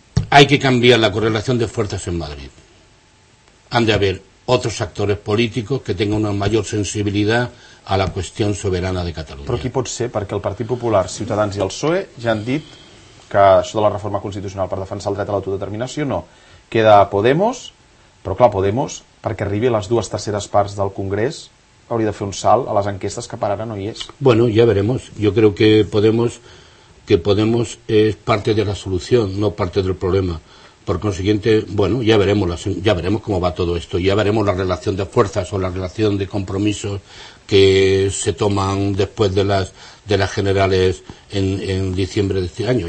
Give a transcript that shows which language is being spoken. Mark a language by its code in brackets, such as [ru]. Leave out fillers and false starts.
[es] Hay que cambiar la correlación de fuerzas en Madrid. Han de haber otros actores políticos que tengan una mayor sensibilidad a la cuestión soberana de Cataluña. [ca] Però qui pot ser? Perquè el Partit Popular, Ciutadans i el PSOE ja han dit que això de la reforma constitucional per defensar el dret a l'autodeterminació no. Queda Podemos, però clar, Podemos, perquè arribi a les dues terceres parts del Congrés, hauria de fer un salt a les enquestes que per ara no hi és. [es] Bueno, ya veremos. Yo creo que Podemos es parte de la solución, no parte del problema. Por consiguiente, bueno, ya veremos cómo va todo esto, ya veremos la relación de fuerzas o la relación de compromisos que se toman después de las generales en diciembre de este año.